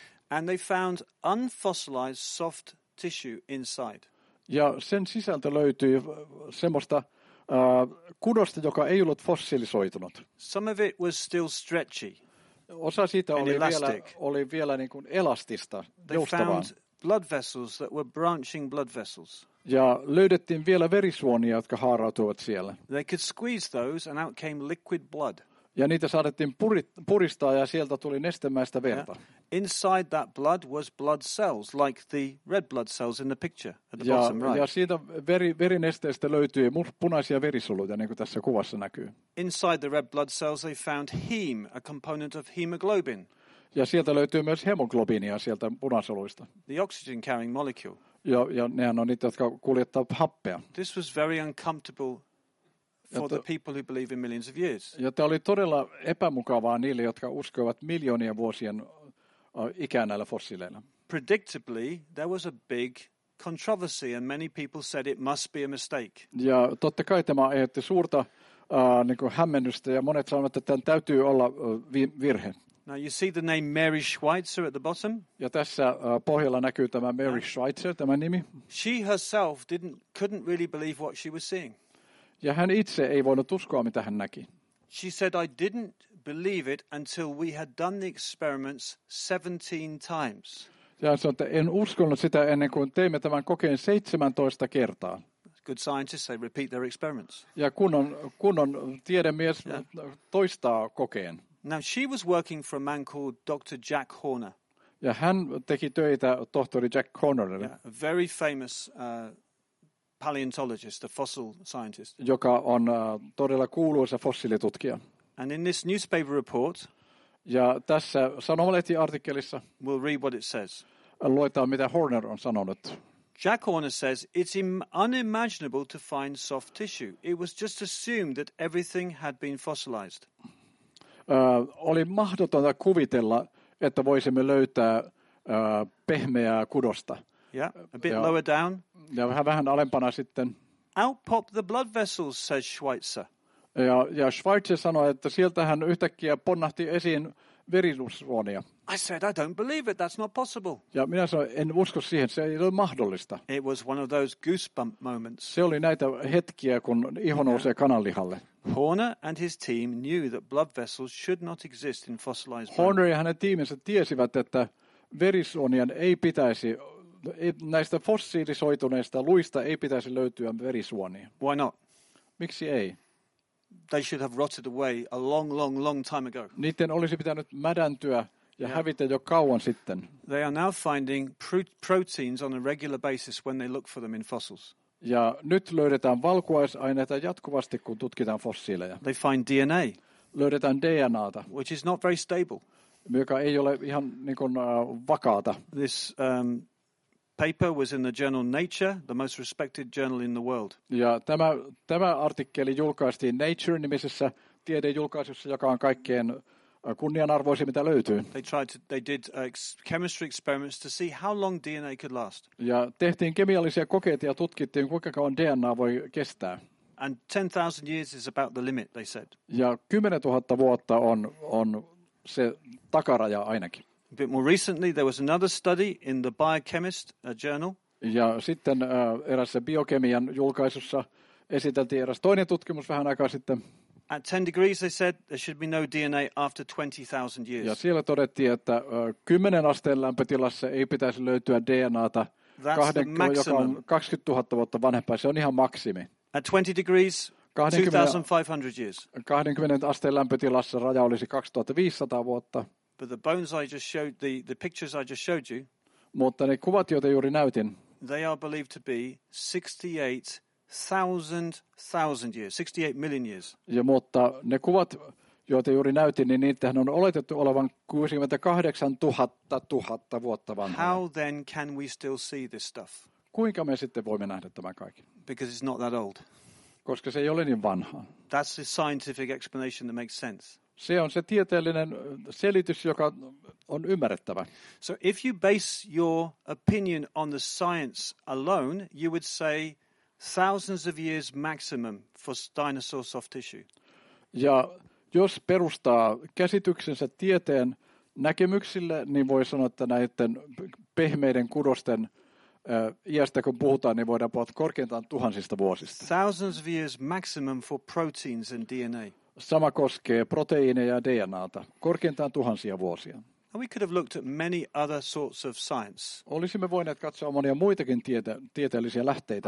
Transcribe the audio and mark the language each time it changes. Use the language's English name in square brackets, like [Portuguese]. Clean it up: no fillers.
[English] And they found unfossilized soft tissue inside. [Finnish] Ja sen sisältä löytyy semmoista kudosta, joka ei ollut fossiilisoitunut. [English] Some of it was still stretchy. [Finnish] osa siitä oli [English] elastic. [Finnish] vielä niin kuin elastista, [English] they [Finnish] joustavaa. [English] Found blood vessels that were branching blood vessels. [Finnish] Ja löydettiin vielä verisuonia, jotka haarautuvat siellä. [English] They could squeeze those and out came liquid blood. [Finnish] Ja niitä saatettiin puristaa ja sieltä tuli nestemäistä verta. [English] Yeah. Inside that blood was blood cells, like the red blood cells in the picture at the [Finnish] ja, [English] bottom right. [Finnish] Ja siitä verinesteestä löytyi punaisia verisoluja, niin kuin tässä kuvassa näkyy. [English] Inside the red blood cells they found heme, a component of hemoglobin. [Finnish] Ja sieltä löytyy myös hemoglobiinia sieltä punasoluista. [English] The oxygen carrying molecule. [Finnish] Ja nehän on niitä, jotka kuljettaa happea. [English] This was very uncomfortable for the people who believe in millions of years. [Finnish] Ja tämä oli todella epämukavaa niille, jotka uskoivat miljoonien vuosien ikään näillä fossiileilla. [English] Predictably, there was a big controversy and many people said it must be a mistake. [Finnish] Ja totta kai tämä aiheutti suurta hämmennystä ja monet sanoivat, että tämän täytyy olla virhe. [English] Now you see the name Mary Schweitzer at the bottom. [Finnish] Ja tässä pohjalla näkyy tämä Mary Schweitzer, tämä nimi. [English] She herself couldn't really believe what she was seeing. [Finnish] Ja hän itse ei voinut uskoa, mitä hän näki. [English] She said, I didn't believe it until we had done the experiments 17 times. [Finnish] Ja hän sanoi, että en uskonut sitä ennen kuin teimme tämän kokeen 17 kertaa. [English] Good scientists, they repeat their experiments. [Finnish] Ja kun on tiedemies, toistaa kokeen. [English] Now she was working for a man called Dr. Jack Horner. [Finnish] Ja hän teki töitä tohtori Jack Hornerille. [English] Yeah, a very famous paleontologist, a fossil scientist. [Finnish] Joka on todella kuuluisa fossiilitutkija. [English] And in this newspaper report, [Finnish] ja tässä sanomalehtiartikkelissa, [English] we'll read what it says. [Finnish] Luetaan mitä Horner on sanonut. [English] Jack Horner says it's unimaginable to find soft tissue. It was just assumed that everything had been fossilized. [Finnish] Oli mahdotonta kuvitella, että voisimme löytää pehmeää kudosta. [English] Yeah, a bit lower down. [Finnish] Ja vähän alempana sitten. [English] Out pop the blood vessels, says Schweitzer. [Finnish] Ja Schweitzer sanoi, että sieltähän yhtäkkiä ponnahti esiin verisuonia. [English] I said, I don't believe it, that's not possible. [Finnish] Ja minä sanoin, en usko siihen, se ei ole mahdollista. [English] It was one of those goosebump moments. [Finnish] Se oli näitä hetkiä, kun iho nousee kananlihalle. [English] Horner and his team knew that blood vessels should not exist in fossilized bone. [Finnish] Horner ja hänen tiiminsä tiesivät, että verisuonien ei pitäisi, näistä fossiilisoituneista luista ei pitäisi löytyä verisuonia. [English] Why not? [Finnish] Miksi ei? [English] They should have rotted away a long, long, long time ago. [Finnish] Niiden olisi pitänyt mädäntyä ja hävitä jo kauan sitten. [English] They are now finding proteins on a regular basis when they look for them in fossils. [Finnish] Ja nyt löydetään valkuaisaineita jatkuvasti, kun tutkitaan fossiileja. [English] They find DNA. [Finnish] Löydetään DNAta. [English] Which is not very stable. [Finnish] Joka ei ole ihan niin kuin, vakaata. [English] This paper was in the journal Nature, the most respected journal in the world. [Finnish] Ja tämä artikkeli julkaistiin Nature-nimisessä tiedejulkaisussa, joka on kaikkein kunnianarvoisin, mitä löytyy. [English] They did chemistry experiments to see how long DNA could last. [Finnish] Ja tehtiin kemiallisia kokeita ja tutkittiin, kuinka kauan DNA voi kestää. [English] And 10,000 years is about the limit, they said. [Finnish] Ja 10,000 vuotta on se takaraja ainakin. [English] A bit more recently, there was another study in the Biochemist journal. [Finnish] Ja sitten erässä biokemian julkaisussa esiteltiin eräs toinen tutkimus vähän aikaa sitten. [English] At 10 degrees, they said, there should be no DNA after 20,000 years. [Finnish] Ja siellä todettiin, että 10 asteen lämpötilassa ei pitäisi löytyä DNAta, joka on 20 000 vuotta vanhempaa. Se on ihan maksimi. [English] At 20 degrees, 2,500 years. [Finnish] 20 asteen lämpötilassa raja olisi 2,500 vuotta. [English] But the bones I just showed, the pictures I just showed you, [Finnish] mutta ne kuvat, joita juuri näytin, [English] they are believed to be 68,000 years, 68 million years. [Finnish] Ja mutta ne kuvat, joita juuri näytin, niin niitähän on oletettu olevan 68,000 vuotta vanhoja. [English] How then can we still see this stuff? [Finnish] Kuinka me sitten voimme nähdä tämän kaiken? [English] Because it's not that old. [Finnish] Koska se ei ole niin vanha. [English] That's the scientific explanation that makes sense. [Finnish] Se on se tieteellinen selitys, joka on ymmärrettävä. [English] So if you base your opinion on the science alone, you would say thousands of years maximum for dinosaur soft tissue. [Finnish] Ja jos perustaa käsityksensä tieteen näkemyksille, niin voi sanoa, että näiden pehmeiden kudosten iästä kun puhutaan, niin voidaan puhua korkeintaan tuhansista vuosista. [English] Thousands of years maximum for proteins and DNA. [Finnish] Sama koskee proteiineja ja DNA:ta, korkeintaan tuhansia vuosia. [English] And we could have looked at many other sorts of science. [Finnish] Olisimme voineet katsoa monia muitakin tieteellisiä lähteitä.